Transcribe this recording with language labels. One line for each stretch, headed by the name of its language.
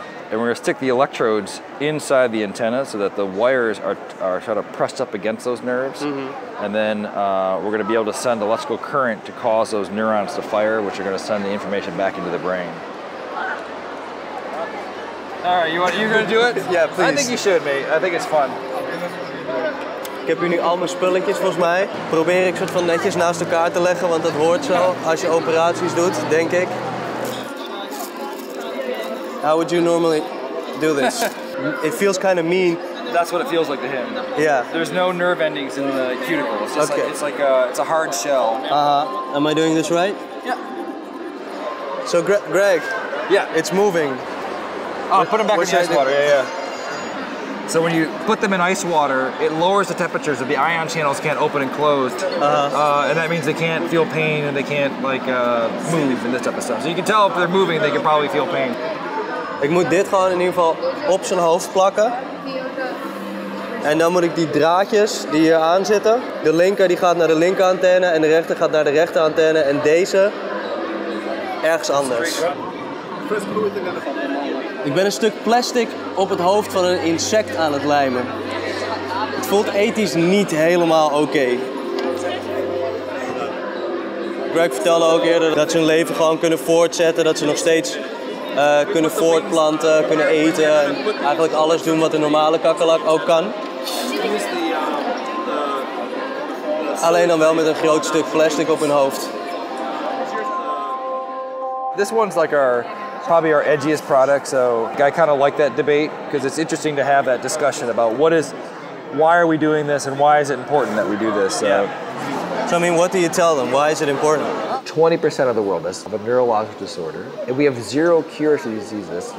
English: And we're going to stick the electrodes inside the antenna so that the wires are sort of pressed up against those nerves. Mm-hmm. And then we're going to be able to send electrical current to cause those neurons to fire, which are going to send the information back into the brain. All right, you're going to do it? Yeah, please. I think you should, mate. I think it's fun.
Dutch: Ik heb hier nu al mijn spulletjes, volgens mij. Probeer ik soort van netjes naast elkaar te leggen, want dat hoort zo als je operaties doet, denk ik.
English: How would you normally do this? It feels kind of mean. That's what it feels like to him. Yeah. There's no nerve endings in the cuticles. Okay. Like, it's a hard shell. Uh-huh. Am I doing this right? Yeah. So, Greg. Yeah. It's moving. Oh, put them back in the ice water. Yeah. So when you put them in ice water, it lowers the temperatures of the ion channels can't open and close. Uh-huh. And that means they can't feel pain and they can't move and this type of stuff. So you can tell if they're moving, they can probably feel pain.
Dutch: Ik moet dit gewoon in ieder geval op zijn hoofd plakken. En dan moet ik die draadjes die hier aan zitten. De linker die gaat naar de linker antenne en de rechter gaat naar de rechter antenne. En deze ergens anders. Ik ben een stuk plastic op het hoofd van een insect aan het lijmen. Het voelt ethisch niet helemaal oké. Greg vertelde ook eerder dat ze hun leven gewoon kunnen voortzetten. Dat ze nog steeds kunnen voortplanten, kunnen eten. En eigenlijk alles doen wat een normale kakkerlak ook kan. Alleen dan wel met een groot stuk plastic op hun hoofd.
English: This one's like our... probably our edgiest product, so I kind of like that debate because it's interesting to have that discussion about why are we doing this and why is it important that we do this. So, yeah. So I mean, what do you tell them? Why is it important? 20% of the world has a neurologic disorder, and we have zero cures for these diseases.